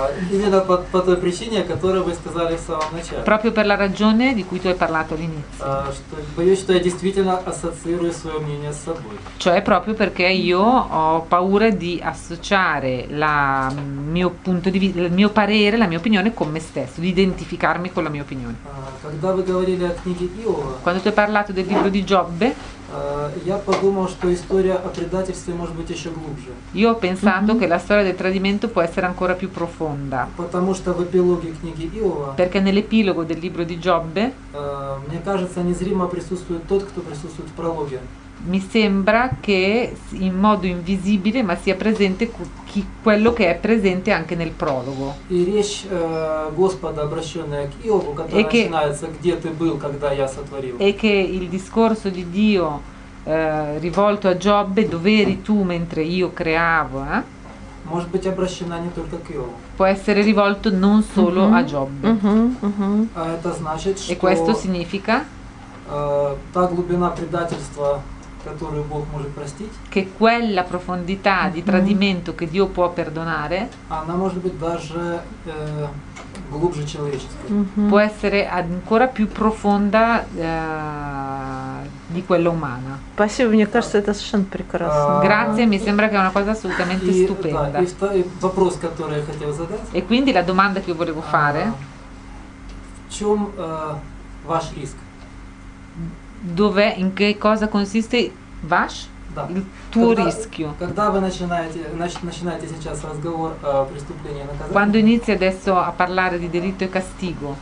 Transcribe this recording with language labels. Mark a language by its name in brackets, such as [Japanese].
[Russian] Именно по той причине, о которой вы сказали в самом начале. [Italian] Proprio per la ragione di cui tu hai parlato all'inizio. [Russian] Боюсь, что я действительно ассоциирую свое мнение с собой. [Italian] Cioè proprio perché io ho paura di associare la mio punto di vista, il mio parere, la mia opinione con me stesso, di identificarmi con la mia opinione. [Russian] Когда вы говорили о книге Иова, [Italian] quando tu hai parlato del libro di Giobbe, [Russian] я подумал, что история о предательстве может быть еще глубже. [Italian] Io ho pensato che la storia del tradimento può essere ancora più profonda. [Russian] Потому что в эпилоге книги Иова, [Italian] perché nell'epilogo del libro di Giobbe, [Russian] мне кажется, незримо присутствует тот, кто присутствует в прологе. [Italian] Mi sembra che in modo invisibile ma sia presente chi, quello che è presente anche nel prologo. [Russian] И речь Господа, обращенная к Иову, которая начинается «Где ты был, когда я сотворил?» [Italian] E che il discorso di Dio rivolto a Giobbe, «Dove eri tu mentre io creavo?» [Russian] Может быть обращена не только к Иову. [Italian] Può essere rivolto non solo a Giobbe. [Russian] Это значит, [Italian] e questo significa? [Russian] Та глубина предательства, которую Бог может простить, [Italian] che quella profondità di tradimento che Dio può perdonare, [Russian] она может быть даже глубже человеческой, [Italian] può essere ancora più profonda di quella umana. [Russian] Спасибо, мне кажется, это совершенно прекрасно. [Italian] Grazie, mi sembra che è una cosa assolutamente stupenda. [Russian] Вопрос, который я хотел задать. [Italian] E quindi la domanda che io volevo fare. [Russian] Чем ваш риск? [Italian] Dov'è, in che cosa consiste [Russian] ваш, [Italian] il tuo rischio? [Russian] Когда вы начинаете сейчас разговор о преступлении и наказании? [Italian] Quando inizi adesso a parlare di delitto e castigo?